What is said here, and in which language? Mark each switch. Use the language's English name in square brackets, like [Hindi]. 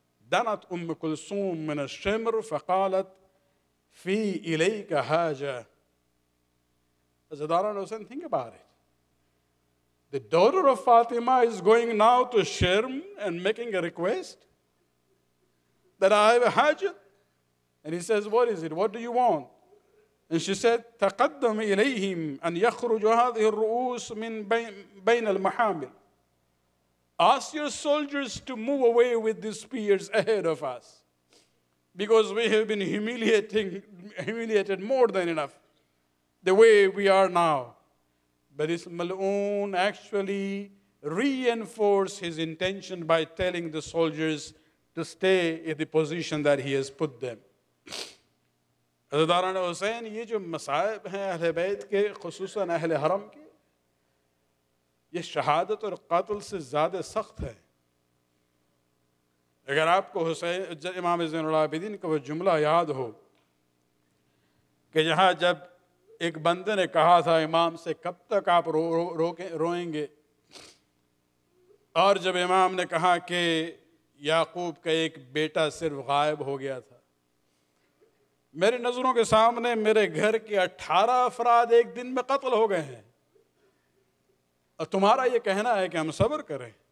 [Arabic] Danat Umm Kulsum min al-Shimr faqalat fi ilayka haja. [English] As a daughter of Hussain, think about it. The daughter of Fatima is going now to Shimr and making a request that I have a haja. And he says, what is it? What do you want? And she said, [Arabic] تقدم إليهم أن يخرج هذه الرؤوس من بين المحامل. [English] Ask your soldiers to move away with the spears ahead of us, because we have been humiliated more than enough the way we are now. But this Mal'un actually reinforced his intention by telling the soldiers to stay in the position that he has put them. [Urdu] حضرت حسین، یہ جو مصائب ہیں اہل بیت کے، خصوصاً اہل حرم کے، یہ شہادت اور قتل سے زیادہ سخت ہے. اگر آپ کو حسین امام زین العابدین کا وہ جملہ یاد ہو کہ جہاں جب ایک بندے نے کہا تھا امام سے، کب تک آپ روئیں گے؟ اور جب امام نے کہا کہ یعقوب کا ایک بیٹا صرف غائب ہو گیا تھا، میری نظروں کے سامنے میرے گھر کے 18 افراد ایک دن میں قتل ہو گئے ہیں، اور تمہارا یہ کہنا ہے کہ ہم صبر کریں.